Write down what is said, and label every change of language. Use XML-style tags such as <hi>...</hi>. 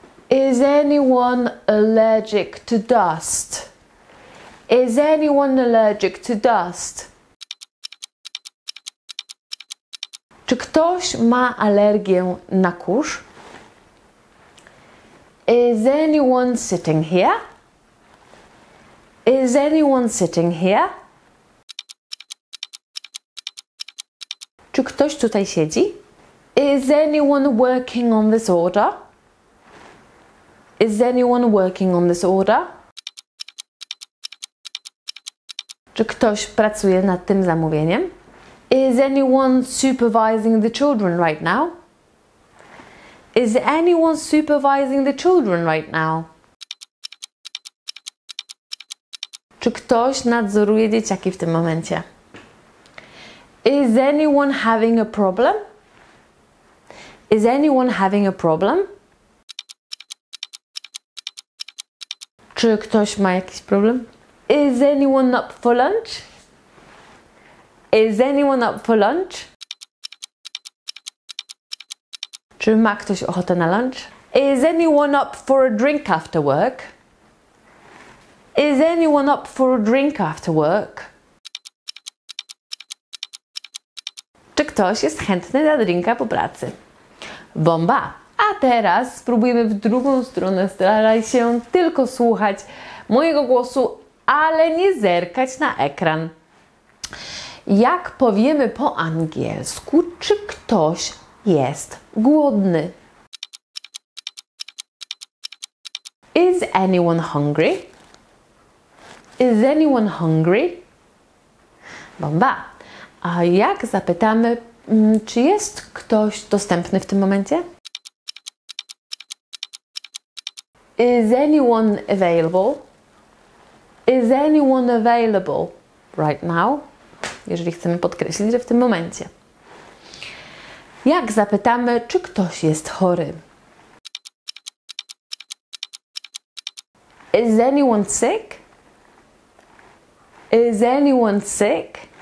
<en>Is anyone allergic to dust? Is anyone allergic to dust?</en> <pl>Czy ktoś ma alergię na kurz?</pl> <en>Is anyone sitting here? Is anyone sitting here?</en> <pl>Czy ktoś tutaj siedzi?</pl> <en>Is anyone working on this order? Is anyone working on this order?</en> <pl>Czy ktoś pracuje nad tym zamówieniem?</pl> <en>Is anyone supervising the children right now? Is anyone supervising the children right now?</en> <pl>Czy ktoś nadzoruje dzieciaki w tym momencie?</pl> <en>Is anyone having a problem? Is anyone having a problem?</en> <pl>Czy ktoś ma jakiś problem?</pl> <en>Is anyone up for lunch? Is anyone up for lunch?</en> <pl>Czy ma ktoś ochotę na lunch?</pl> <en>Is anyone up for a drink after work? Is anyone up for a drink after work?</en> <pl>Czy ktoś jest chętny na drinka po pracy? Bomba! A teraz spróbujemy w drugą stronę. Staraj się tylko słuchać mojego głosu, ale nie zerkać na ekran. Jak powiemy po angielsku, czy ktoś jest głodny?</pl> <en>Is anyone hungry? Is anyone hungry?</en> <pl>Bomba! A jak zapytamy, czy jest ktoś dostępny w tym momencie?</pl> <en>Is anyone available? Is anyone available right now?</en> <pl>Jeżeli chcemy podkreślić, że w tym momencie. Jak zapytamy, czy ktoś jest chory?</pl> <en>Is anyone sick? Is anyone sick?</en>